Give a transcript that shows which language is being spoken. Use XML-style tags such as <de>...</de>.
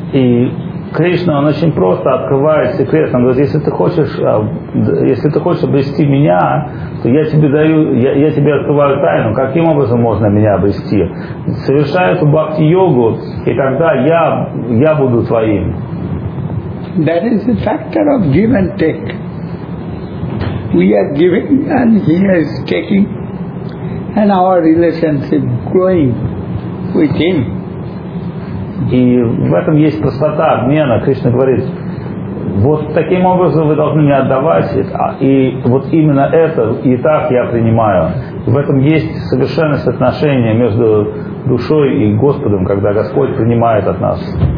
<ru>И Кришна, он очень просто открывает секрет. Он говорит, если ты хочешь обрести меня, то я тебе открываю тайну, каким образом можно меня обрести. Совершай эту бхакти йогу, и тогда я буду твоим.</ru> <en>That is the factor of give and take. We are giving and he is taking, and our relationship growing with him.</en> <ru>И в этом есть простота обмена. Кришна говорит, вот таким образом вы должны мне отдавать, и вот именно это и так я принимаю. В этом есть совершенность отношения между душой и Господом, когда Господь принимает от нас.</ru>